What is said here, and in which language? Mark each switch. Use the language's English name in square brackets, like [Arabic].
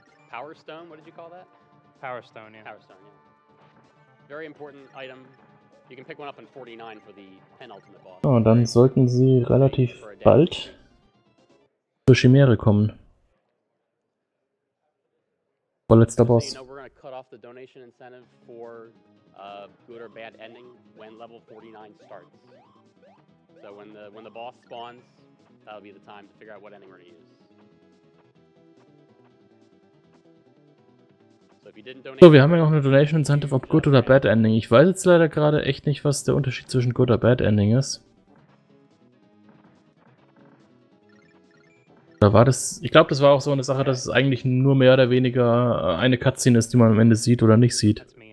[English] Power Stone, what did you call that? Power Stone, yeah. Power Stone, yeah. Very important item. You can pick one up in 49 for the penultimate boss. [German] Oh, dann sollten sie relativ bald zur Chimäre kommen. Vorletzter Boss. [English] off the donation incentive for a good or bad ending when level 49 starts. So when the boss spawns, that'll be the time to figure out what ending we're gonna use. [German] So, wir haben ja auch eine Donation Incentive, ob Good oder Bad Ending. Ich weiß jetzt leider gerade echt nicht, was der Unterschied zwischen Good oder Bad Ending ist. Da war das. Ich glaube, das war auch so eine Sache, dass es eigentlich nur mehr oder weniger eine Cutscene ist, die man am Ende sieht oder nicht sieht.